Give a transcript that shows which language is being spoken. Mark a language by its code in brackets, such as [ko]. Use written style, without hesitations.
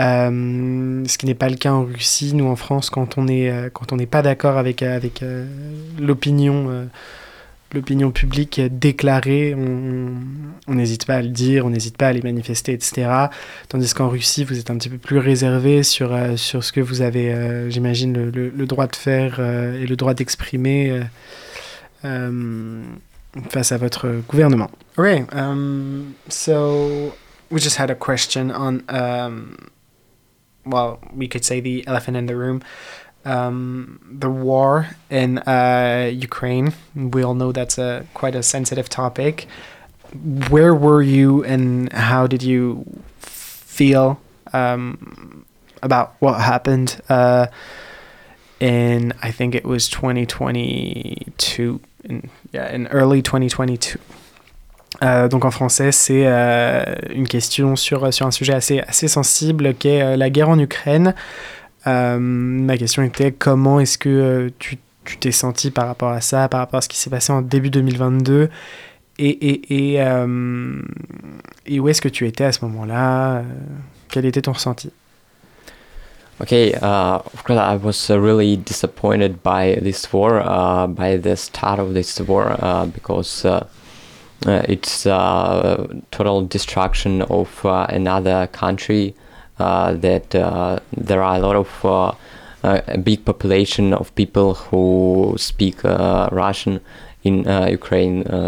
[fr] Ce qui n'est pas le cas en Russie. Nous, en France, quand on n'est pas d'accord avec l'opinion publique déclarée, on n'hésite pas à le dire, on n'hésite pas à les manifester, etc. Tandis qu'en Russie, vous êtes un petit peu plus réservé sur ce que vous avez, j'imagine, le droit de faire et le droit d'exprimer face à votre gouvernement. [en] Okay, so we just had a question on, well, we could say the elephant in the room. The war in Ukraine, we all know that's quite a sensitive topic. Where were you and how did you feel about what happened in, I think it was 2022, in early 2022? [fr] Donc en français, c'est une question sur un sujet assez sensible qu'est la guerre en Ukraine. Ma question était, comment est-ce que tu t'es senti par rapport à ça, par rapport à ce qui s'est passé en début 2022, Et où est-ce que tu étais à ce moment-là? Quel était ton ressenti? [en] Okay, of course I was really disappointed by this war, by the start of this war, because it's total destruction of another country, that there are a lot of a big population of people who speak Russian in Ukraine.